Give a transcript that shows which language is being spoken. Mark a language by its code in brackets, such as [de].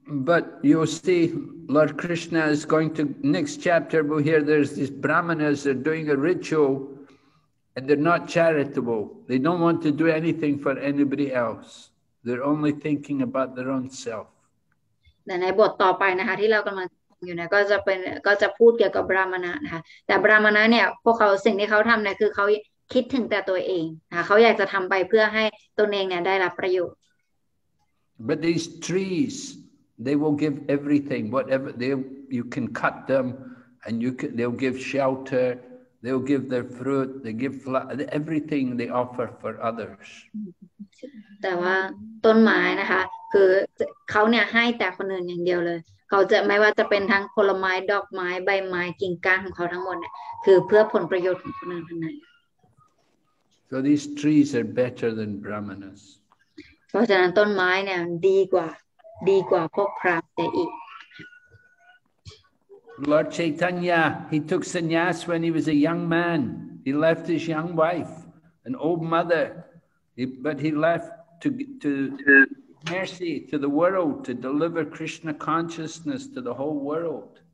[en] but you see Lord Krishna is going to next chapter we'll hear there's these brahmanas are doing a ritual and they're not charitable they don't want to do anything for anybody else they're only thinking about their own self [th] แต่ในบทต่อไปนะคะที่เรากำลังอยู่เนี่ยก็จะพูดเกี่ยวกับบราหมณะนะคะแต่บราหมณะเนี่ยพวกเขาสิ่งที่เขาทำเนี่ยคือเขาคิดถึงแต่ตัวเองนะเขาอยากจะทำไปเพื่อให้ตนเองเนี่ยได้รับประโยชน์ [en] but these trees they will give everything whatever they you can cut them and you can they'll give shelter they'll give their fruit they give flower, everything they offer for others [th] แต่ว่าต้นไม้นะคะคือเขาเนี่ยให้แต่คนอื่นอย่างเดียวเลยเขาจะไม่ว่าจะเป็นทั้งผลไม้ดอกไม้ใบไม้กิ่งก้านของเขาทั้งหมดเนี่ยคือเพื่อผลประโยชน์ของคนอื่นทั้งนั้น [en] So these trees are better than brahmanas [th] เพราะฉะนั้นต้นไม้เนี่ยดีกว่าพวกพรามแต่อีก [en] Lord Chaitanya he took sannyas when he was a young man he left his young wife an old mother but he left to mercy to the world to deliver Krishna consciousness to the whole world.